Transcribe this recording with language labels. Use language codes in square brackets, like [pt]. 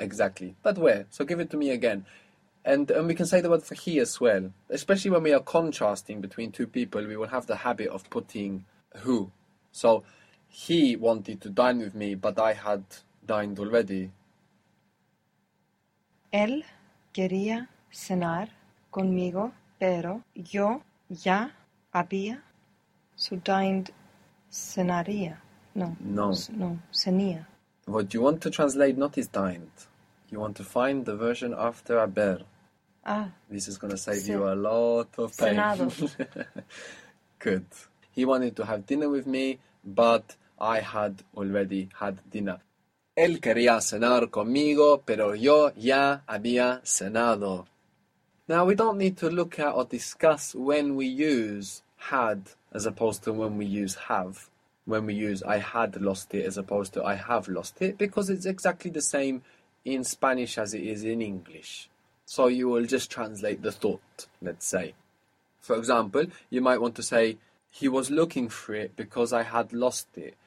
[en] Exactly. But where? So give it to me again. And we can say the word for he as well. Especially when we are contrasting between two people, we will have the habit of putting who. So he wanted to dine with me, but I had dined already. [es] Él quería cenar conmigo, pero yo ya había. [en] So dined cenaría. No, No. [es] no, cenía. [en] What you want to translate not is dined. You want to find the version after haber. Ah, This is going to save you a lot of pain. [es] cenado. [en] Good. He wanted to have dinner with me, but I had already had dinner. [es] Él quería cenar conmigo, pero yo ya había cenado. [en] Now, we don't need to look at or discuss when we use had as opposed to when we use have. When we use I had lost it as opposed to I have lost it, because it's exactly the same in Spanish as it is in English. So you will just translate the thought, let's say. For example, you might want to say, he was looking for it because I had lost it.